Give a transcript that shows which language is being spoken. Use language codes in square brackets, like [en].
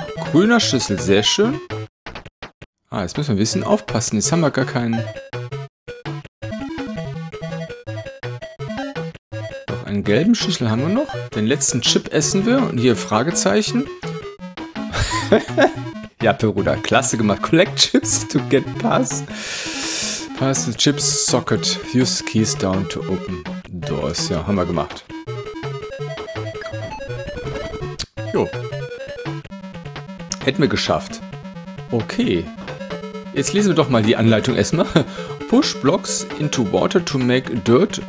[de] Grüner Schlüssel, sehr schön. Ah, jetzt müssen wir ein bisschen aufpassen. Jetzt haben wir gar keinen. Einen gelben Schlüssel haben wir noch. Den letzten Chip essen wir. Und hier Fragezeichen. Ja, Peruda, klasse gemacht. [en] Collect Chips to get pass. Pass the Chips Socket. Use keys down to open doors. [de] Ja, haben wir gemacht. Jo. Hätten wir geschafft. Okay. Jetzt lesen wir doch mal die Anleitung erstmal. [en] Push blocks into water to make dirt.